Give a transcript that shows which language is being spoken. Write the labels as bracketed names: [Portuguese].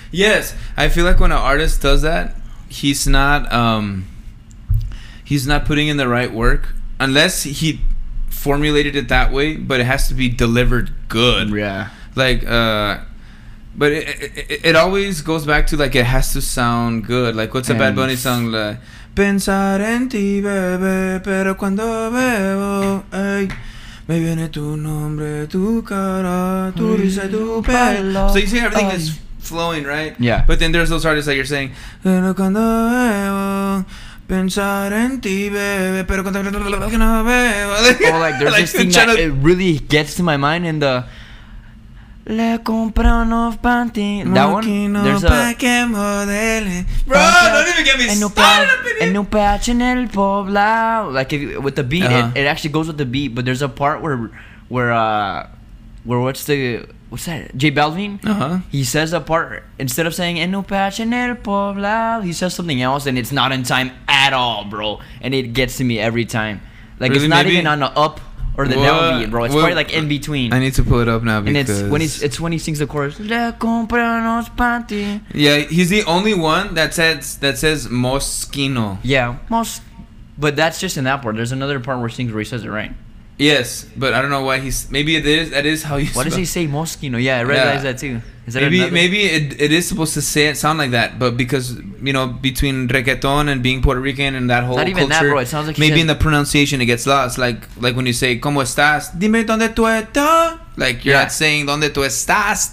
[English] Yes, I feel like when an artist does that, he's not putting in the right work unless he formulated it that way. But it has to be delivered good. Yeah. Like, but it always goes back to like it has to sound good. Like, what's a Bad Bunny song? [Spanish] Like, pensar en ti, bebé, pero cuando bebo, ay. Me viene tu nombre, tu cara, tu risa, tu pelo. [English] So you see everything is flowing, right? Yeah. But then there's those artists that you're saying. [Spanish] Pero cuando bebo, pensar en ti, bebé, pero cuando bebo, [English] like, oh, like there's like, this thing that it really gets to my mind in the. [Spanish] Le compré unos panties. [English] That one? There's a. Bro, don't even get me started. [Spanish] En un patch en el poblado. [English] Like, if you, with the beat, uh-huh. It actually goes with the beat, but there's a part where what's that? J Balvin? Uh huh. He says a part, instead of saying [Spanish] en un patch en el poblado, [English] he says something else, and it's not in time at all, bro. And it gets to me every time. Like, really, it's not maybe? Even on the up. Or the down beat, bro. It's probably like in between. I need to pull it up now because... And it's when he sings the chorus. [Spanish] Le compré unos [English] panty. Yeah, he's the only one that says Moschino. Yeah. But that's just in that part. There's another part where he sings where he says it right. Yes, but I don't know why he's... Maybe that is how he... Why does he say Moschino? Yeah, I realize that too. Is that maybe it is supposed to say it sound like that, but because, you know, between reggaeton and being Puerto Rican and that whole not even culture, that, bro. It sounds like maybe in the pronunciation it gets lost. [Spanish] Like when you say ¿cómo estás? Dime dónde tú estás. [English] Like you're not saying [Spanish] ¿dónde tú estás?